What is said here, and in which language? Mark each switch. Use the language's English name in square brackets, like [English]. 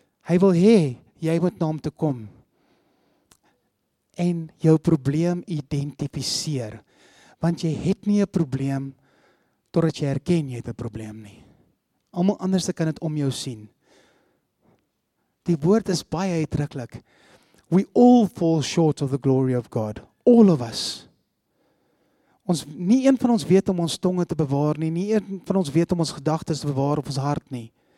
[Afrikaans] Hy wil hê jy moet na hom toe kom en jou probleem identifiseer, want jy het nie 'n probleem totdat jy erken jy het 'n probleem nie. Almal anders kan dit om jou sien. Die woord is baie uitdruklik. [English] We all fall short of the glory of God. All of us. [Afrikaans] Ons nie een van ons weet om ons tonge te bewaar nie, nie een van ons weet om ons gedagtes te bewaar of ons hart nie.